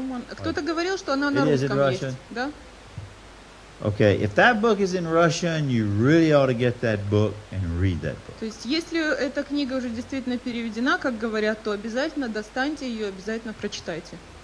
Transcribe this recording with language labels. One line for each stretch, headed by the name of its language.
Russian: Кто-то говорил, что она на русском есть. Да?
English: Okay, if that book is in Russian, you really ought to get that book and read that book.
Russian: То есть, если эта книга уже действительно переведена, как говорят, то обязательно достаньте ее, обязательно прочитайте.